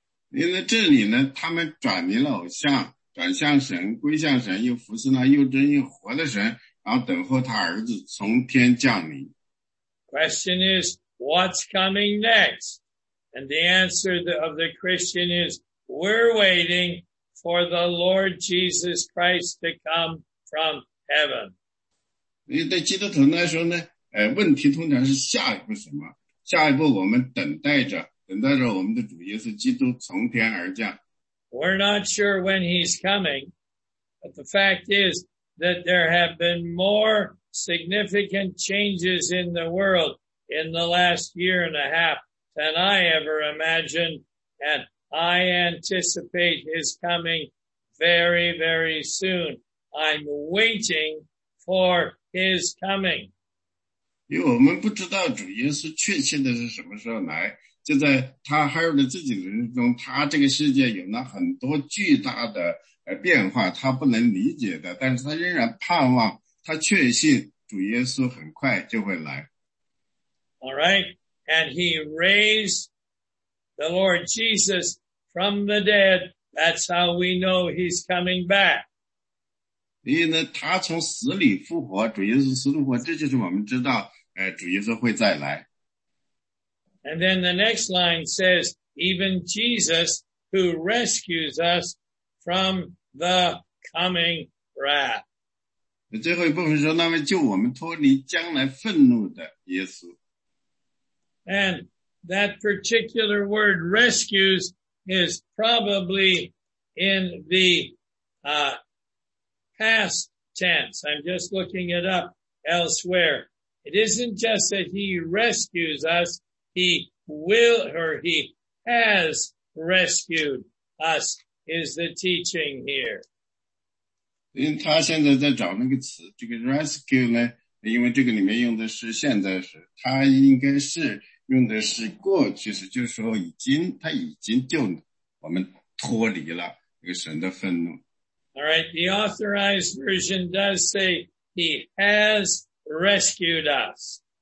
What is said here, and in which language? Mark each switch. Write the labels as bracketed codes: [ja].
[zh] 因为这里呢，他们转离了偶像。转向神，归向神，又服侍那又真又活的神，然后等候他儿子从天降临。 [en] Question is, what's coming next? And the answer of the Christian is, we're waiting for the Lord Jesus Christ to come from heaven. [zh] 对基督徒来说呢，问题通常是下一步什么？下一步我们等待着我们的主耶稣基督从天而降。 [en] We're not sure when He's coming, but the fact is that there have been more significant changes in the world in the last year and a half than I ever imagined, and I anticipate His coming very, very soon. I'm waiting for His coming. [zh] 因为我们不知道主耶稣确切的是什么时候来。就在他哈尔的自己的人生中，他这个世界有了很多巨大的变化，他不能理解的，但是他仍然盼望他确信主耶稣很快就会来。 [en] All right, and he raised the Lord Jesus from the dead. That's how we know he's coming back. [zh] 因为呢，他从死里复活，主耶稣死里复活，这就是我们知道，主耶稣会再来。 [en] And then the next line says, even Jesus who rescues us from the coming wrath. [zh] 最后一部分说，那位救我们脱离将来愤怒的耶稣。 [en] And that particular word rescues is probably in the, past tense. I'm just looking it up elsewhere. It isn't just that he rescues us. He will, or he has rescued us is the teaching here. [zh] 因为他现在在找那个词，这个 rescue 呢，因为这个里面用的是现在时，他应该是用的是过去时，就是说已经，他已经救我们脱离了那个神的愤怒。 [en] All right, the authorized version does say he has rescued us.